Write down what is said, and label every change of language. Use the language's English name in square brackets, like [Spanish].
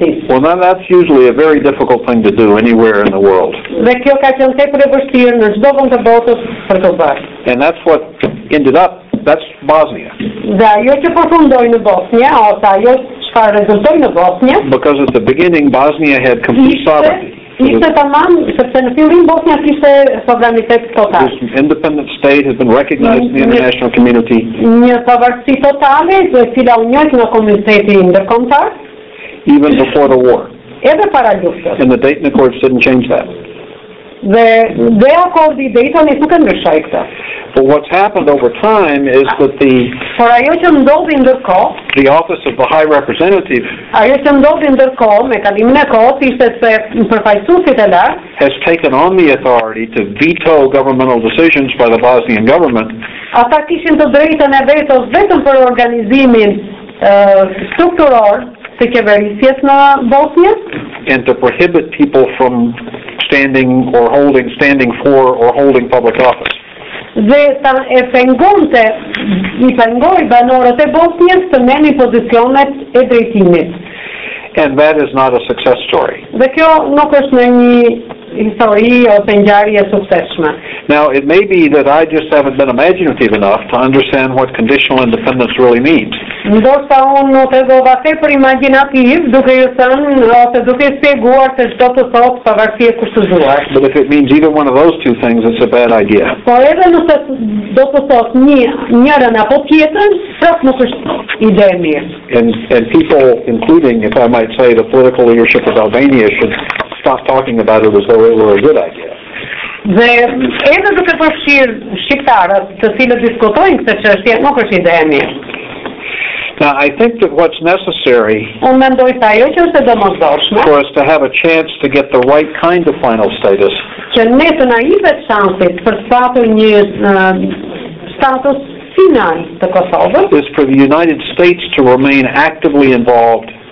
[English] Well, now that's usually a very difficult thing to do anywhere in the world. And that's what ended up, that's Bosnia. Because at the beginning, Bosnia had complete sovereignty. [Albanian] Ishte tamam, sepse në fillim Bosnia kishte sovranitet total. [English] This independent state has been recognized in the international community. [Albanian] Një pavarësi totale, dhe cila u njohet në komunitetin ndërkombëtar. [English] Even before the war. [Albanian] Edhe para luftës. [English] And the Dayton Accords didn't change that. [Albanian] Dhe akordi I Daytonit nuk e ndryshoi këtë. [English] But what's happened over time is that the the office of the High Representative has taken on the authority to veto governmental decisions by the Bosnian government. [Albanian] Ata kishin të drejtën e vetos vetëm për organizimin struktural të qeverisjes në Bosnjë. [English] And to prohibit people from standing for or holding public office. [Albanian] Dhe e pengonte, I pengoj banorët e Bosnjës të merrnin pozicionet e drejtimit. [English] And that is not a success story. [Albanian] Dhe kjo nuk është në një histori ose ngjarje sukseshme. [English] Now, it may be that I just haven't been imaginative enough to understand what conditional independence really means. [Albanian] Ndoshta unë nuk e dova tepër imaginativ, duke ju thënë ose duke shpjeguar se çdo të thotë pavarësi e kushtëzuar. [English] But if it means either one of those two things, it's a bad idea. [Albanian] Po edhe nëse do të thotë njërën apo tjetër, prap nuk është ide e mirë. [English] And people, including, if I might say, the political leadership of Albania, should stop talking about it as though it were a good idea. [Albanian] Dhe edhe duke përfshirë shqiptarët të cilët diskutojnë këtë çështje, nuk është ide e mirë. [English] Now, I think that what's necessary for us to have a chance to get the right kind of final status is for the United States to remain actively involved